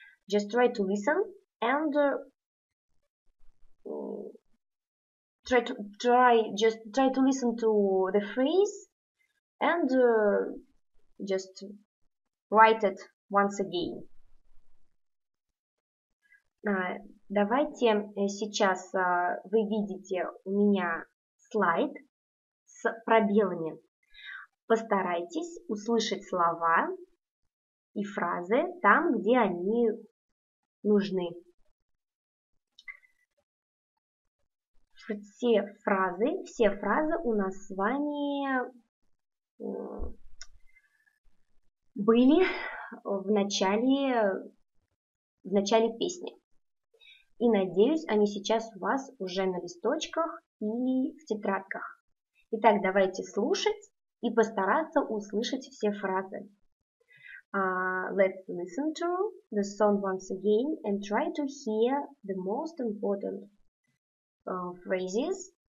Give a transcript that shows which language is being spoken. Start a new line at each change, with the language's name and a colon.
English: Just try to listen and try to listen to the phrase and just write it once again.
Russian: Давайте сейчас вы видите у меня слайд с пробелами. Постарайтесь услышать слова и фразы там, где они нужны. Все фразы у нас с вами были в начале песни. И надеюсь, они сейчас у вас уже на листочках и в тетрадках. Итак, давайте слушать и постараться услышать все фразы.
English: Let's listen to the song once again and try to hear the most important phrases.